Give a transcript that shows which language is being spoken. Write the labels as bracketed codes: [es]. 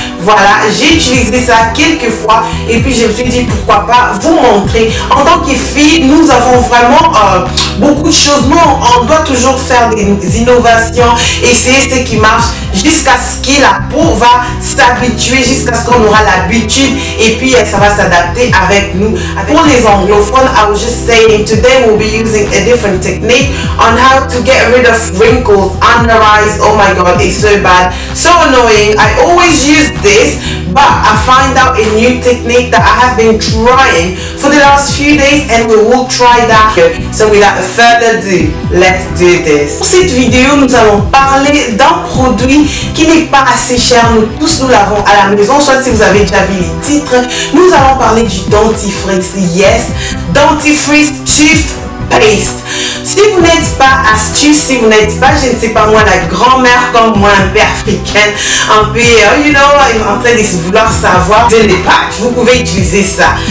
[fr] Voilà, j'ai utilisé ça quelques fois et puis je me suis dit pourquoi pas vous montrer. En tant que fille, nous avons vraiment beaucoup de choses. Nous, on doit toujours faire des innovations, essayer ce qui marche jusqu'à ce que la peau va s'habituer, jusqu'à ce qu'on aura l'habitude et puis ça va s'adapter avec nous. Pour les anglophones, [en] I was just saying, today we'll be using a different technique on how to get rid of wrinkles under eyes. Oh my god, it's so bad, so annoying. I always use this, but I find out a new technique that I have been trying for the last few days and we will try that here. So without further ado, let's do this. [fr] Pour cette vidéo, nous allons parler d'un produit qui n'est pas assez cher. Nous tous, nous l'avons à la maison, soit si vous avez déjà vu les titres. Nous allons parler du dentifrice. Yes, dentifrice toothpaste. Si vous n'êtes pas astuce, si vous n'êtes pas, je ne sais pas moi, la grand-mère comme moi, un peu africaine, un peu, you know, en train de vouloir savoir, de les patchs, vous pouvez utiliser ça.